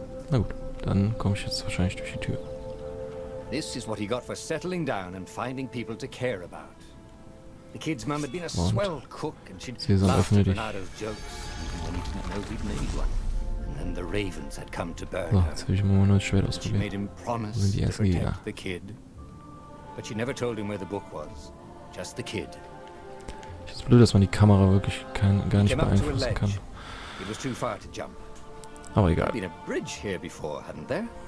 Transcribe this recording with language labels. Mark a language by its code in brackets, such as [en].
[de] Na gut, dann komme ich jetzt wahrscheinlich durch die Tür. [en] This is what he got for settling down and finding people to care about. The kid's mum had been a swell cook, and she'd laughed at Bernardo's jokes, even when he didn't know he'd made one. And then the ravens had come to burn her. She made him promise to protect the kid. But she never told him where the book was, just the kid. [de] Ich find's blöd, dass man die Kamera wirklich gar nicht beeinflussen kann. [en] It was too far to jump. [de] Aber egal. [en] There'd been a bridge here before, hadn't there?